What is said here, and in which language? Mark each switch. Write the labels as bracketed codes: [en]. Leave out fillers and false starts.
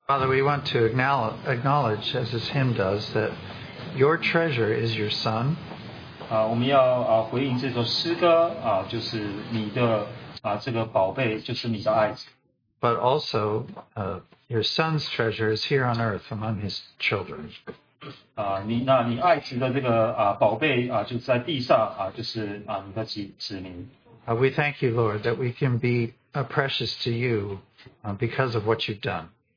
[en] Father, we want to acknowledge, as this hymn does, that your treasure is your Son. [zh] 我们要回应这个诗歌就是你的这个宝贝就是你的爱子。 [en] But also, your Son's treasure is here on earth among his children. [zh] 你爱子的这个宝贝就是在地上就是你的子民。 [en] We thank you, Lord, that we can be precious to you because of what you've done.